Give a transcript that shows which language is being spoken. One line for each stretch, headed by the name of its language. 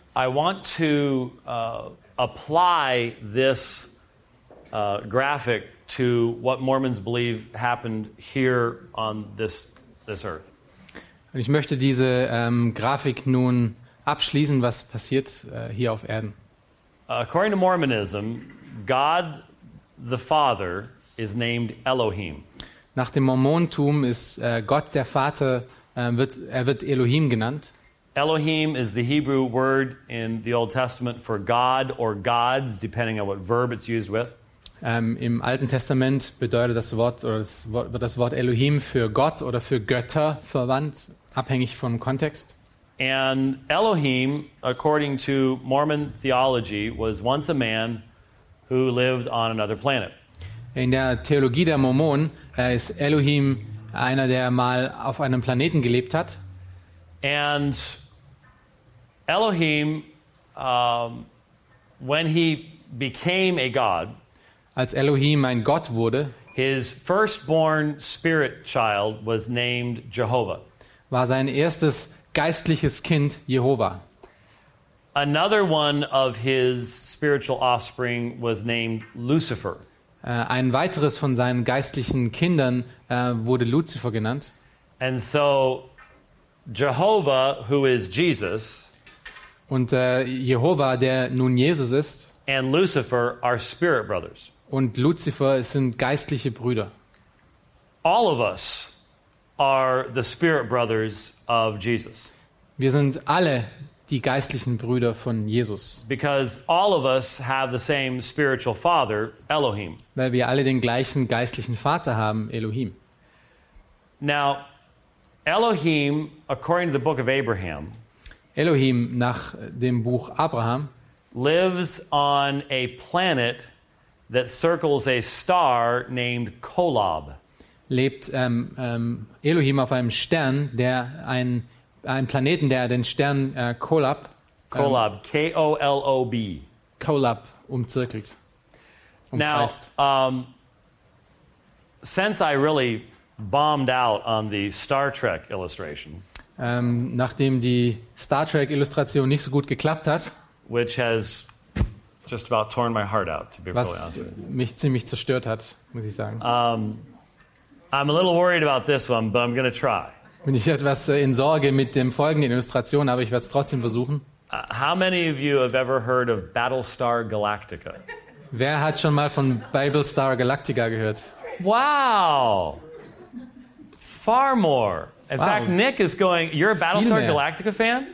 English: I want to apply this graphic to what Mormons believe happened here on this earth.
German: Ich möchte diese Grafik nun abschließen, was passiert hier auf Erden.
English: According to Mormonism, God the Father is named Elohim.
German: Nach dem Mormonentum ist Gott der Vater wird Elohim genannt.
English: Elohim is the Hebrew word in the Old Testament for God or gods, depending on what verb it's used with.
German: Im Alten Testament bedeutet das Wort oder wird das Wort Elohim für Gott oder für Götter verwandt, abhängig vom Kontext.
English: And Elohim, according to Mormon theology, was once a man who lived on another planet.
German: In der Theologie der Mormonen ist Elohim einer, der mal auf einem Planeten gelebt hat.
English: And Elohim, when he became a god,
German: als Elohim ein Gott wurde,
English: his firstborn spirit child was named Jehovah.
German: War sein erstes geistliches Kind Jehovah.
English: Another one of his spiritual offspring was named Lucifer.
German: Ein weiteres von seinen geistlichen Kindern wurde Lucifer genannt.
English: And so Jehovah, who is Jesus,
German: und Jehovah, der nun Jesus ist,
English: and Lucifer are spirit brothers.
German: Und Lucifer sind geistliche Brüder.
English: All of us are the spirit brothers of Jesus.
German: Wir sind alle die geistlichen Brüder von Jesus.
English: Because all of us have the same spiritual father, Elohim.
German: Weil wir alle den gleichen geistlichen Vater haben, Elohim.
English: Now, Elohim, according to the book of Abraham,
German: Elohim nach dem Buch Abraham,
English: lives on a planet that circles a star named Kolob.
German: Lebt Elohim auf einem Stern, der ein Planeten, der den Stern Kolob.
English: Kolob, K-O-L-O-B.
German: Kolob umzirkelt.
English: Now, since I really bombed out on the Star Trek illustration,
German: nachdem die Star Trek Illustration nicht so gut geklappt hat,
English: which has just about torn my heart out, to be
German: was
English: really honest.
German: Mich ziemlich zerstört hat, muss ich sagen.
English: I'm a little worried about this one, but I'm gonna try.
German: Bin ich etwas in Sorge mit dem folgenden Illustration, aber ich werde es trotzdem versuchen.
English: How many of you have ever heard of Battlestar Galactica?
German: Wer hat schon mal von Battlestar Galactica gehört?
English: Wow! Far more. In fact, Nick is going, you're a Battlestar Galactica fan?